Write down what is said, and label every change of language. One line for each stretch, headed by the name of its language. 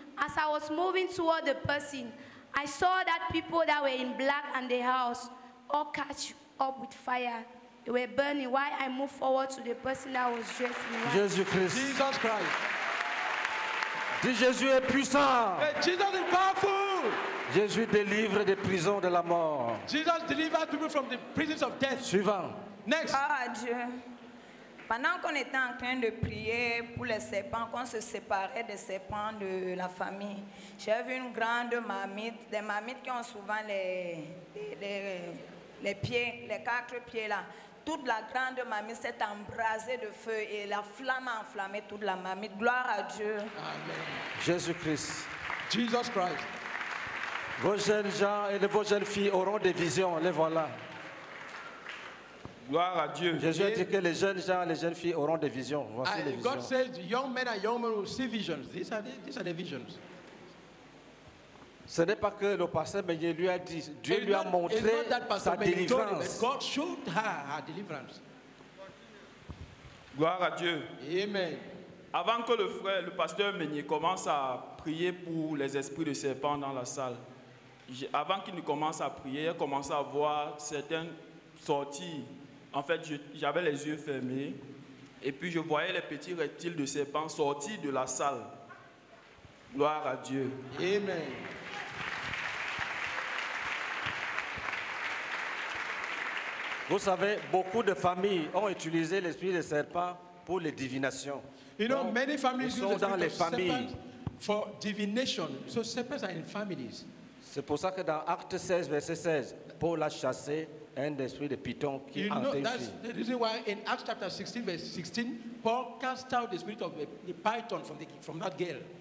English: As I was moving toward the person, I saw that people that were in black and the house all catch up with fire. They were burning. While I moved forward to the person that was dressed in white. Jesus Christ. Jesus Christ.
French: Dis Jésus est puissant.
English: Hey, Jesus is powerful.
French: Jésus délivre des prisons de la mort.
English: Jesus delivers people from the prisons of death.
French: Suivant.
English: Next.
French: Ah Dieu, pendant qu'on était en train de prier pour les serpents, qu'on se séparait des serpents de la famille, j'ai vu une grande marmite, des marmites qui ont souvent les pieds, les quatre pieds là. Toute la grande marmite s'est embrasée de feu et la flamme a enflammé toute la marmite. Gloire à Dieu. Amen. Jésus-Christ.
English: Jesus Christ.
French: Vos jeunes gens et vos jeunes filles auront des visions. Les voilà. Gloire à Dieu. Jésus a dit que les jeunes gens, les jeunes filles auront des visions. Voici les visions.
English: God says young men and young women will see visions. These are the visions.
French: Ce n'est pas que le pasteur Meunier lui a dit, Dieu lui a montré sa délivrance.
English: God showed her deliverance.
French: Gloire à Dieu. Amen. Avant que le frère, le pasteur Meunier commence à prier pour les esprits de serpents dans la salle, avant qu'il ne commence à prier, il commence à voir certaines sorties. En fait, j'avais les yeux fermés et puis je voyais les petits reptiles de serpents sortir de la salle. Gloire à Dieu. Amen. Vous savez, beaucoup de familles ont utilisé l'esprit des serpents pour les divinations.
English: You know, many families
French: ils sont dans les familles.
English: For divination. So serpents are in families.
French: C'est pour ça que dans Actes 16, verset 16, Paul a chassé un esprit de python qui
English: you
French: hantait
English: know, that's the reason why in Acts chapter 16, verse 16, Paul cast out the spirit of the python from that girl.